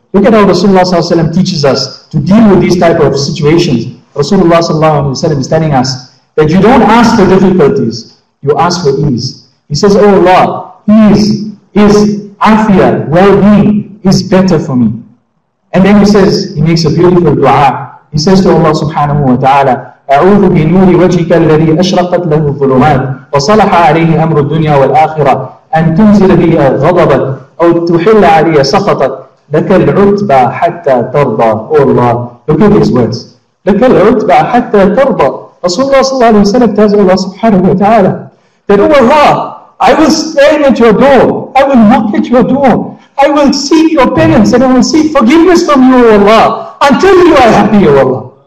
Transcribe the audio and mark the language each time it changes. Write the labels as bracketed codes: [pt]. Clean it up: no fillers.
[en] Look at how Rasulullah ﷺ teaches us to deal with these type of situations. Rasulullah ﷺ is telling us that you don't ask for difficulties, you ask for ease. He says, O Allah, ease is afia, well-being is better for me. And then he says, he makes a beautiful dua. He says to Allah subhanahu wa ta'ala, [ar] أعوذ بنور وجهك الذي أشرقت له الظلمات وصلح عليه أمر الدنيا والآخرة أن تنزل بي غضبك أو تحل علي سخطك لك العتبى حتى ترضى. [en] Oh Allah, look at these words. [ar] لك العتبى حتى ترضى. [en] Rasulullah [ar] صلى الله عليه وسلم [en] tells Allah subhanahu wa ta'ala that, O Allah, I will stand at your door, I will knock at your door, I will seek your penance and I will seek forgiveness from you, O Allah, until you are happy, O Allah.